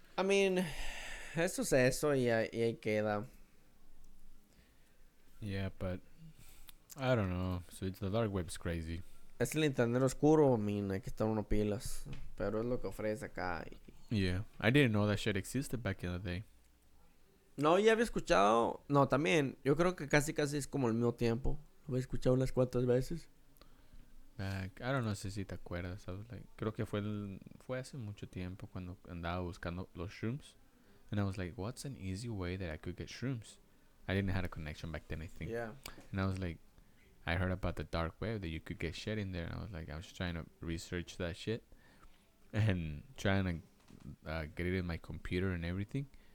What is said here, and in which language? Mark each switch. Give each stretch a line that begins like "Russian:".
English: I mean,
Spanish: eso es eso y ahí queda.
English: Yeah, but I don't know. So it's the dark web's crazy.
Spanish: Es el internet oscuro,
English: I mean,
Spanish: hay que estar uno pilas. Pero es lo que ofrece acá.
English: Yeah, I didn't know that shit existed back in the day.
Spanish: No, ya había escuchado. No, también. Yo creo que casi es como el mismo tiempo. Lo había escuchado unas cuantas veces.
English: I don't know
Spanish: si te acuerdas.
English: I was like,
Spanish: creo que fue hace mucho tiempo cuando andaba buscando los shrooms.
English: And I was like, what's an easy way that I could get shrooms? I didn't have a connection back then, I think. Yeah. And I was like, I heard about the dark web that you could get shit in there. And I was like, I was trying to research that shit and trying to get it in my computer and everything.